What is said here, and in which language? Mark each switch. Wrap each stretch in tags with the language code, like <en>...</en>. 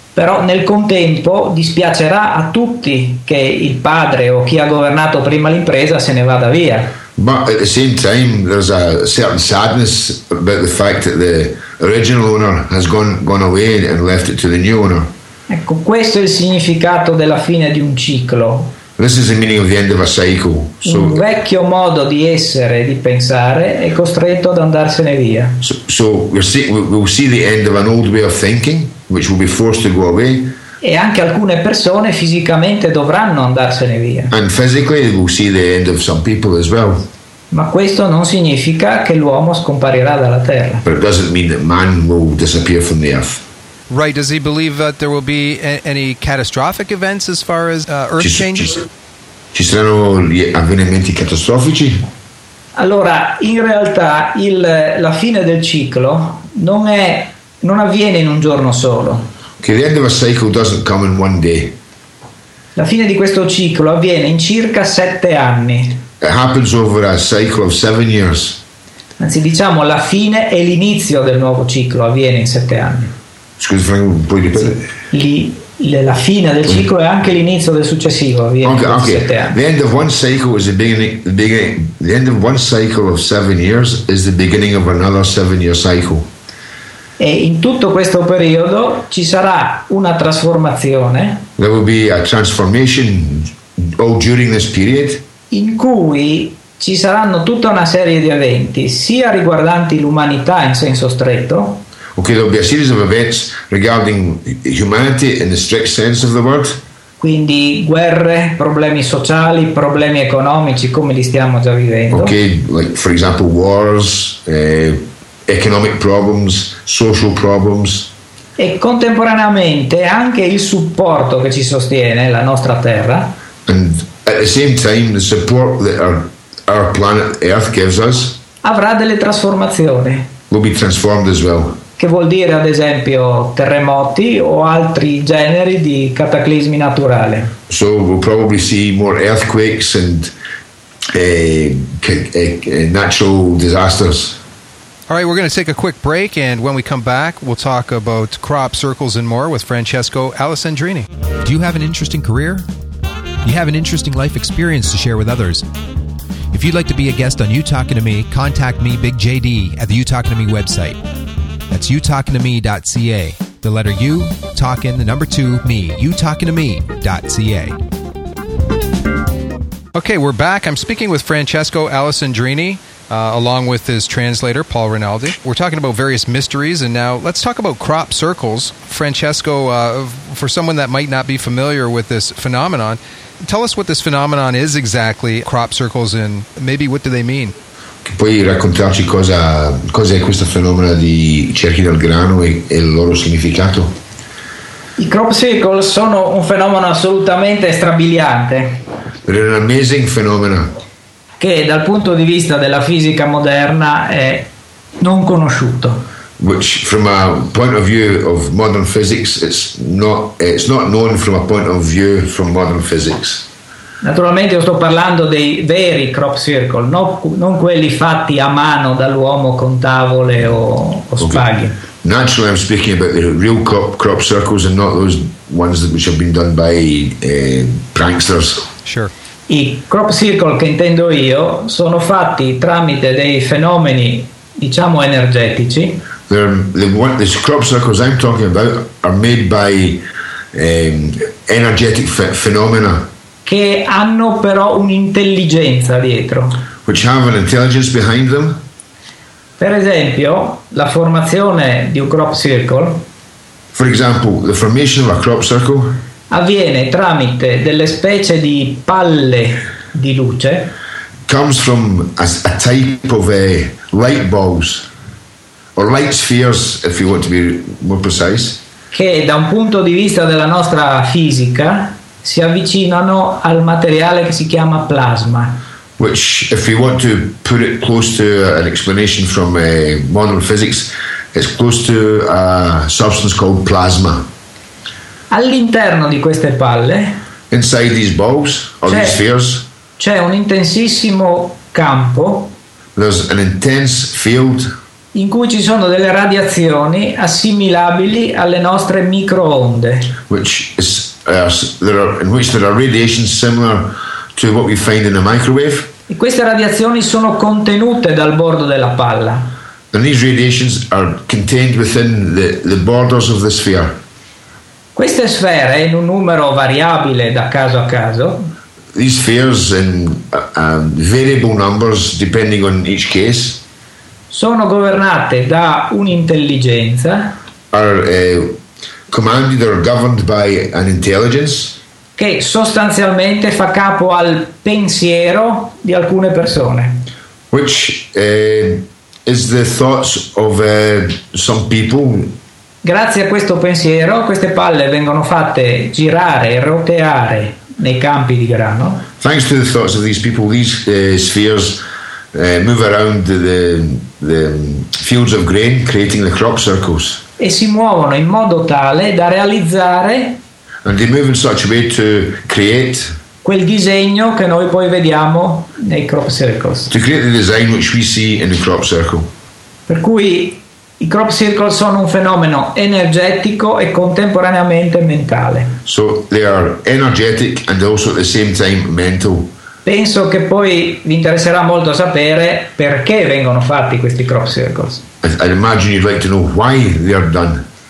<it>Però nel contempo dispiacerà a tutti che il padre o chi ha governato prima l'impresa se ne vada via.</it> <en>But at the same time there's a certain sadness about the fact that the original owner has gone away and left it to the new owner.</en> <it>Ecco, questo è il significato della fine di un ciclo.</it> <en>This is the meaning of the end of a cycle.</en> <it>So, un vecchio modo di essere, di pensare, è costretto ad andarsene via.</it> <en>We'll see the end of an old way of thinking, which will be forced to go away.</en> <it>E anche alcune persone fisicamente dovranno andarsene via.</it> <en>And physically we'll see the end of some people as well.</en> <it>Ma questo non significa che l'uomo scomparirà dalla terra.</it> <en>But it doesn't mean that man will disappear from the earth. Right, does he believe that there will be any catastrophic events as far as earth changes?</en> <it>Ci saranno gli avvenimenti catastrofici? Allora, in realtà la fine del ciclo non avviene in un giorno solo.</it> <en>Okay, the end of a cycle doesn't come in one day.</en> <it>La fine di questo ciclo avviene in circa 7 anni.</it> <en>It happens over a cycle of 7 years.</en> <it>Anzi, diciamo, la fine e l'inizio del nuovo ciclo avviene in 7 anni. Scusi, Frank, puoi ripetere? La fine del ciclo è anche l'inizio del successivo.</it> <en>The end of one cycle is the beginning. The end of one cycle of 7 years is the beginning of another 7 year cycle.</en> <it>E in tutto questo periodo ci sarà una trasformazione.</it> <en>There will be a transformation all during this period.</en> <it>In cui ci saranno tutta una serie di eventi, sia riguardanti l'umanità in senso stretto.</it> <en>Okay, there'll be a series of events regarding humanity in the strict sense of the word.</en> <it>Quindi guerre, problemi sociali, problemi economici, come li stiamo già vivendo.</it> <en>Okay, like for example wars, economic problems, social problems.</en> <it>E contemporaneamente anche il supporto che ci sostiene, la nostra terra.</it> <en>And at the same time the support that our planet Earth gives us.</en> <it>Avrà delle trasformazioni.</it> <en>Will be transformed as well.</en> <it>Che vuol dire ad esempio terremoti o altri generi di cataclismi naturali.</it> <en>So we'll probably see more earthquakes and natural disasters. All right, we're going to take a quick break, and when we come back, we'll talk about crop circles and more with Francesco Alessandrini. Do you have an interesting career? You have an interesting life experience to share with others? If you'd like to be a guest on You Talking to Me, contact me, Big JD, at the You Talking to Me website. That's youtalkingtome.ca. The letter U, talking, the number 2, me, youtalkingtome.ca. Okay, we're back. I'm speaking with Francesco Alessandrini, along with his translator, Paul Rinaldi. We're talking about various mysteries, and now let's talk about crop circles. Francesco, for someone that might not be familiar with this phenomenon, tell us what this phenomenon is exactly, crop circles, and maybe what do they mean?</en> <it>Puoi raccontarci cosa è questo fenomeno di cerchi del grano e il loro significato? I crop circles sono un fenomeno assolutamente strabiliante.</it> <en>But an amazing phenomena.</en> <it>Che dal punto di vista della fisica moderna è non conosciuto.</it> <en>Which from a point of view of modern physics it's not known from a point of view from modern physics.</en> <it>Naturalmente io sto parlando dei veri crop circle, non quelli fatti a mano dall'uomo con tavole o spaghi.</it> <en>Naturally I'm speaking about the real crop circles and not those ones which have been done by pranksters. Sure.</en> <it>I crop circle che intendo io sono fatti tramite dei fenomeni, diciamo, energetici.</it> <en>The crop circles I'm talking about are made by energetic phenomena.</en> <it>Che hanno però un'intelligenza dietro.</it> <en>Which have an intelligence behind them.</en> <it>Per esempio, la formazione di un crop circle.</it> <en>For example, the formation of a crop circle.</en> <it>avviene tramite delle specie di palle di luce.</it> <en>Comes from a type of light balls or light spheres, if you want to be more precise.</en> <it>Che da un punto di vista della nostra fisica si avvicinano al materiale che si chiama plasma.</it> <en>Which, if you want to put it close to an explanation from modern physics, it's close to a substance called plasma.</en> <it>All'interno di queste palle,</it> <en>inside these balls or these spheres,</en> <it>c'è un intensissimo campo.</it> <en>There's an intense field.</en> <it>In cui ci sono delle radiazioni assimilabili alle nostre microonde.</it> <en>Which is in which there are radiations similar to what we find in a microwave.</en> <it>E queste radiazioni sono contenute dal bordo della palla.</it> <en>And these radiations are contained within the borders of the sphere.</en> <it>Queste sfere, in un numero variabile da caso a caso.</it> <en>These spheres in variable numbers depending on each case.</en> <it>Sono governate da un'intelligenza.</it> <en>Are commanded or governed by an intelligence.</en> <it>Che sostanzialmente fa capo al pensiero di alcune persone.</it> <en>Which is the thoughts of some people.</en> <it>Grazie a questo pensiero, queste palle vengono fatte girare e roteare nei campi di grano.</it> <en>Thanks to the thoughts of these people, these spheres move around the fields of grain, creating the crop circles.</en> <it>E si muovono in modo tale da realizzare.</it> <en>And they move in such a way to create</en> <it>quel disegno che noi poi vediamo nei crop circles.</it> <en>To create the design which we see in the crop circle.</en> <it>Per cui i crop circles sono un fenomeno energetico e contemporaneamente mentale.</it> <en>So they are energetic and also at the same time mental.</en> <it>Penso che poi vi interesserà molto sapere perché vengono fatti questi crop circles.</it> <en>I imagine you'd like to know why they are done.</en>